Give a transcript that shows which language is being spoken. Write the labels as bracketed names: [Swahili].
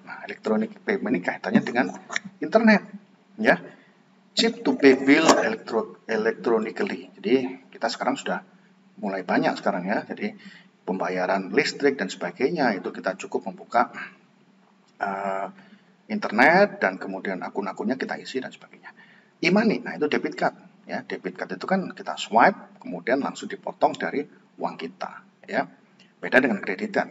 [Indonesian] Nah, electronic payment ini kaitannya dengan internet, ya. [English] Chip to pay bill electronically. [Indonesian] Jadi, kita sekarang sudah mulai banyak sekarang ya. Jadi, pembayaran listrik dan sebagainya itu kita cukup membuka internet dan kemudian akun-akunnya kita isi dan sebagainya. E-money, nah itu debit card. Ya, debit card itu kan kita swipe, kemudian langsung dipotong dari uang kita. Ya. Beda dengan kredit card.